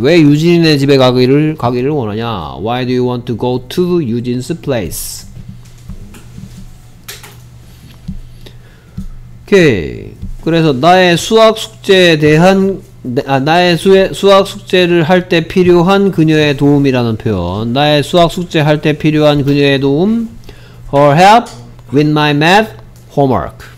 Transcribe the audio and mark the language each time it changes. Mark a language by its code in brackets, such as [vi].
[ko] 왜 유진이네 집에 가기를 원하냐? [en] Why do you want to go to Eugene's place? [ko] 오케이. 그래서 나의 수학 숙제에 대한 나의 수학 숙제를 할 때 필요한 그녀의 도움이라는 표현. 나의 수학 숙제 할 때 필요한 그녀의 도움. [en] Her help with my math homework.